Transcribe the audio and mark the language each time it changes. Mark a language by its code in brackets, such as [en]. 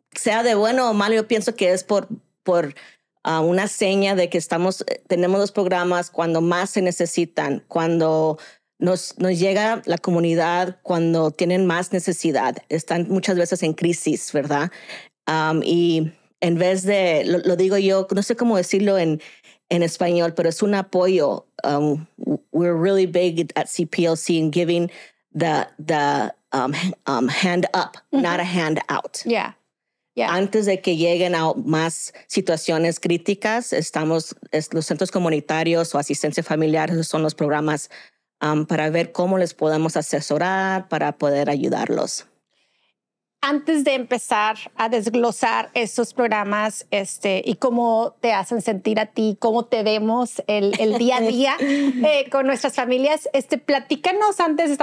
[es] Sea de bueno o malo, yo pienso que es por una seña de que tenemos los programas cuando más se necesitan, cuando nos llega la comunidad, cuando tienen más necesidad. Están muchas veces en crisis, ¿verdad? Y en vez de, lo digo yo, no sé cómo decirlo en español, pero es un apoyo. [en] We're really big at CPLC in giving the hand up, mm-hmm. not a hand out. Yeah. Yeah. [es] Antes de que lleguen a más situaciones críticas, los centros comunitarios o asistencia familiar son los programas para ver cómo les podemos asesorar para poder ayudarlos. Antes de empezar a desglosar esos programas y cómo te hacen sentir a ti, cómo te vemos el día a día con nuestras familias, platícanos antes.